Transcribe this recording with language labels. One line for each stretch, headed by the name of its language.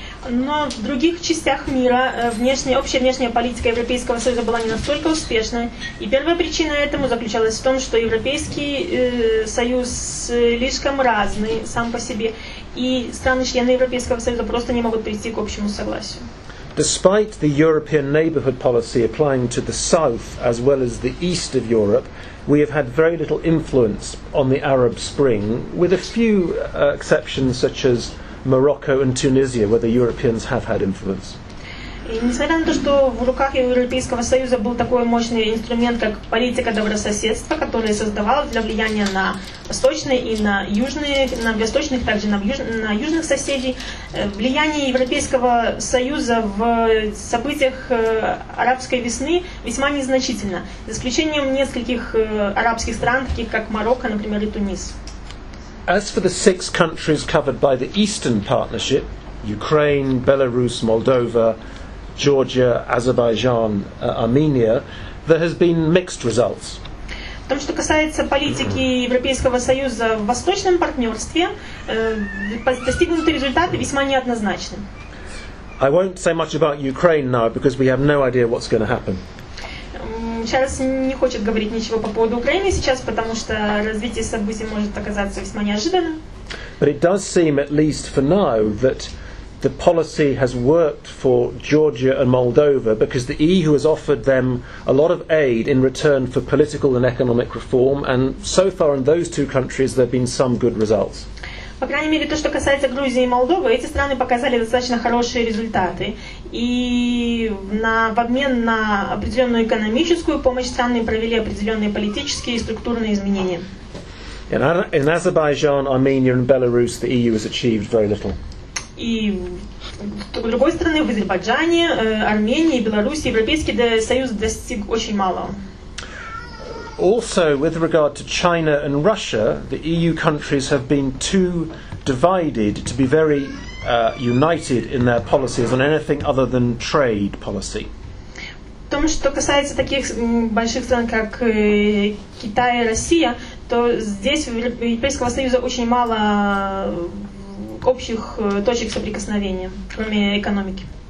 Russian: Но в других частях мира общая внешняя политика Европейского Союза была не настолько успешной, и первая причина этому заключалась в том, что Европейский Союз слишком разный сам по себе, и страны-члены Европейского Союза просто не могут прийти к общему согласию.
English: Despite the European neighborhood policy applying to the south as well as the east of Europe, we have had very little influence on the Arab Spring, with a few exceptions such as Morocco and Tunisia, where the Europeans have had influence.
Russian: Несмотря на то, что в руках Европейского Союза был такой мощный инструмент, как политика добрососедства, которая создавала для влияния на восточные и на южные, на восточных, также на южных соседей, влияние Европейского Союза в событиях арабской весны весьма незначительно, за исключением нескольких арабских стран, таких как Марокко, например, и Тунис.
English: As for the six countries covered by the Eastern Partnership, Ukraine, Belarus, Moldova, Georgia, Azerbaijan, Armenia, there has been mixed results.
Russian: В том, что касается политики Европейского Союза в восточном партнерстве, достигнутые результаты весьма неоднозначны.
English: I won't say much about Ukraine now because we have no idea what's going to happen.
Russian: Сейчас не хочет говорить ничего по поводу Украины сейчас, потому что развитие событий может оказаться весьма неожиданным.
English: But it does seem, at least for now, that the policy has worked for Georgia and Moldova because the EU has offered them a lot of aid in return for political and economic reform, and so far in those two countries there have been some good results.
Russian: По крайней мере, то, что касается Грузии и Молдовы, эти страны показали достаточно хорошие результаты. И в обмен на определенную экономическую помощь страны провели определенные политические и структурные изменения.
English: In Azerbaijan, Armenia and Belarus, the EU has achieved very little.
Russian: и с другой стороны, в Азербайджане, Армении, Беларуси, Европейский Союз достиг очень мало.
English: Also, with regard to China and Russia, the EU countries have been too divided to be very united in their policies on anything other than trade policy.
Russian: В том, что касается таких больших стран, как Китай и Россия, то здесь в Европейском Союзе очень мало общих точек соприкосновения, кроме экономики.